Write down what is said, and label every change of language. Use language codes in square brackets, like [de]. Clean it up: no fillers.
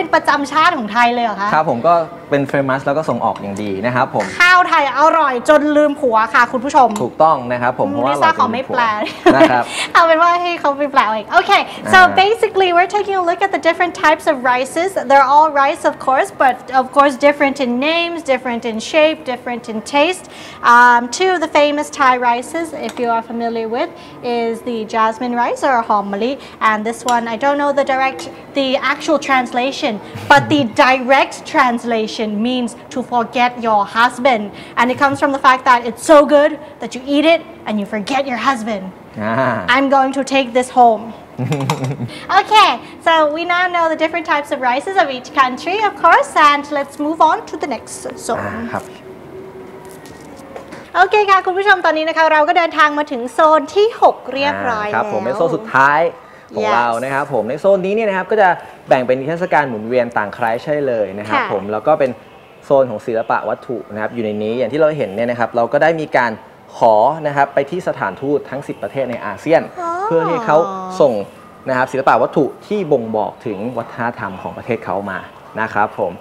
[th] นประจำชาติของไทยเลยเหรอคะ ครับผมก็เป็นเฟมัสแล้วก็ส่งออกอย่างดีนะครับผม ข้าวไทยอร่อยจนลืมผัวค่ะคุณผู้ชม ถูกต้องนะครับผม ลิซ่าขอไม่แปล นะครับ เอาเป็นว่าให้เขาไปแปลเองโอเค [en] so basically we're taking a look at the different types of rices they're all rice of course but of course different in names different in shape different in taste two of the famous Thai rices if you are familiar with is the jasmine rice or homali and this one I don't know the actual translation but the direct translation means to forget your husband and it comes from the fact that it's so good that you eat it and you forget your husband I'm going to take this home okay so we now know the different types of rices of each country of course and let's move on to the next zone [th] โอเคค่ะคุณผู้ชมตอนนี้นะคะเราก็เดินทางมาถึงโซนที่6เรียบร้อย ครับผมในโซนสุดท้ายของ เรานะครับผมในโซนนี้เนี่ยนะครับก็จะแบ่งเป็นเทศกาลหมุนเวียนต่างใครใช่เลยนะครับผมแล้วก็เป็นโซนของศิลปะวัตถุนะครับอยู่ในนี้อย่างที่เราเห็นเนี่ยนะครับเราก็ได้มีการขอนะครับไปที่สถานทูตทั้ง10ประเทศในอาเซียน เพื่อที่เขาส่งนะครับศิลปะวัตถุที่บ่งบอกถึงวัฒนธรรมของประเทศเขามานะครับผม